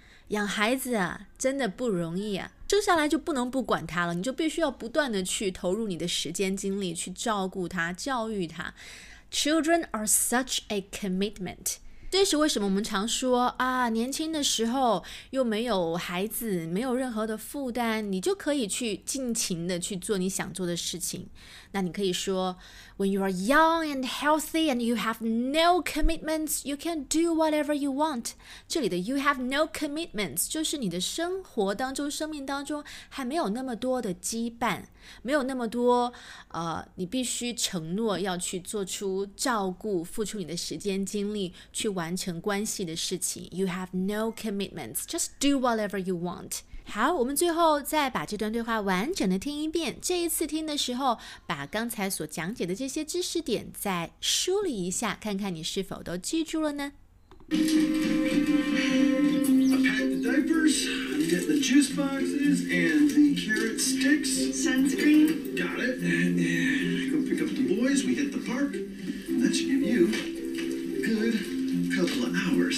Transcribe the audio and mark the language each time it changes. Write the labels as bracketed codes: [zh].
[zh] 养孩子啊，真的不容易啊，生下来就不能不管他了，你就必须要不断的去投入你的时间精力去照顾他、教育他。 [en] Children are such a commitment。 [zh] 这是为什么我们常说啊，年轻的时候又没有孩子，没有任何的负担，你就可以去尽情的去做你想做的事情。那你可以说 [en] When you are young and healthy and you have no commitments, you can do whatever you want. [zh] 这里的 [en] you have no commitments [zh] 就是你的生活当中、生命当中还没有那么多的羁绊，没有那么多你必须承诺要去做出照顾、付出你的时间精力去完成关系的事情。 [en] You have no commitments, just do whatever you want. [zh] 好，我们最后再把这段对话完整的听一遍，这一次听的时候把刚才所讲解的这些知识点再梳理一下，看看你是否都记住了呢？ [en] I packed the diapers, I'm getting the juice boxes and the carrot sticks. Sunscreen. Got it. Go pick up the boys, we hit the park. That should give you good. Couple of hours.